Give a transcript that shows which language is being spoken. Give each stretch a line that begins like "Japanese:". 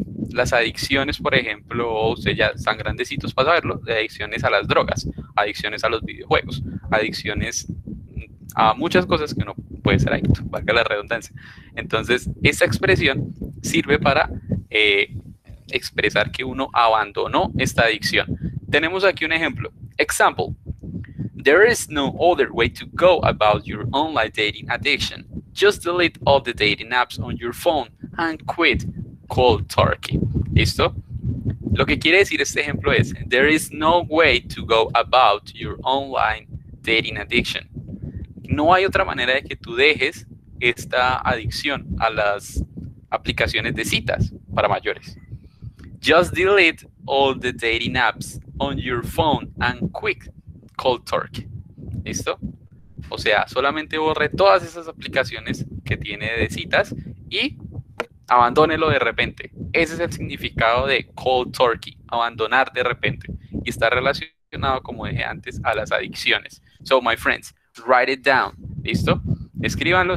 Spanish: Las adicciones, por ejemplo, ustedes ya están grandecitos para saberlo, de adicciones a las drogas, adicciones a los videojuegos, adicciones a muchas cosas que uno puede ser adicto, valga la redundancia. Entonces, esa expresión sirve para expresar que uno abandonó esta adicción. Tenemos aquí un ejemplo.
English: Example: there is no other way to go about your online dating addiction. Just delete all the dating apps on your phone and quit cold turkey.
Spanish: ¿Listo? Lo que quiere decir este ejemplo es:
English: there is no way to go about your online dating addiction.
Spanish: No hay otra manera de que tú dejes esta adicción a las aplicaciones de citas para mayores.
English: Just delete all the dating apps on your phone and quit cold turkey.
Spanish: ¿Listo? O sea, solamente borre todas esas aplicaciones que tiene de citas y abandónelo de repente. Ese es el significado de cold turkey, abandonar de repente. Y está relacionado, como dije antes, a las adicciones.
English: So, my friends, write it down.
Spanish: ¿Listo? Escríbanlo.